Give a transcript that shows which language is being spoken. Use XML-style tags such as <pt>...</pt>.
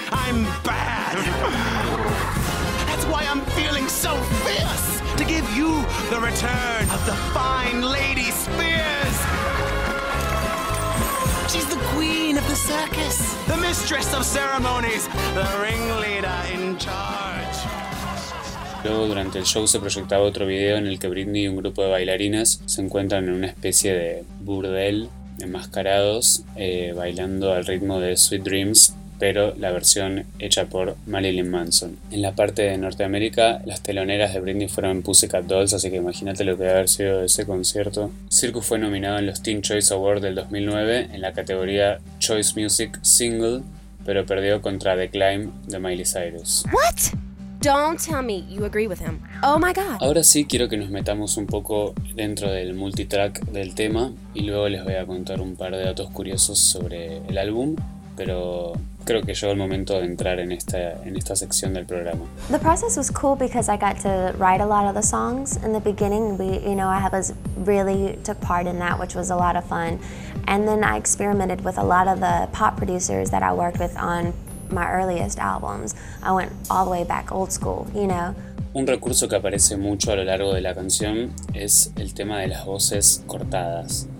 <en>I'm bad. That's why I'm feeling so fierce, to give you the return of the fine Lady Spears. She's the queen of the circus, the mistress of ceremonies, the ringleader in charge.</en> <es>Luego, durante el show, se proyectaba otro video en el que Britney y un grupo de bailarinas se encuentran en una especie de burdel enmascarados, bailando al ritmo de Sweet Dreams, pero la versión hecha por Marilyn Manson. En la parte de Norteamérica, las teloneras de Britney fueron Pussycat Dolls, así que imagínate lo que debe haber sido ese concierto. Circus fue nominado en los Teen Choice Awards del 2009 en la categoría Choice Music Single, pero perdió contra The Climb de Miley Cyrus.</es> <en>What? Don't tell me you agree with him. Oh my God.</en> <es>Ahora sí quiero que nos metamos un poco dentro del multitrack del tema y luego les voy a contar un par de datos curiosos sobre el álbum, pero creo que llegó el momento de entrar en esta sección del programa.</es> <en>The process was cool because I got to write a lot of the songs in the beginning. I really took part in that, which was a lot of fun. And then I experimented with a lot of the pop producers that I worked with on my earliest albums. I went all the way back old school, you know.</en> <es>Un recurso que aparece mucho a lo largo de la canción es el tema de las voces cortadas.</es>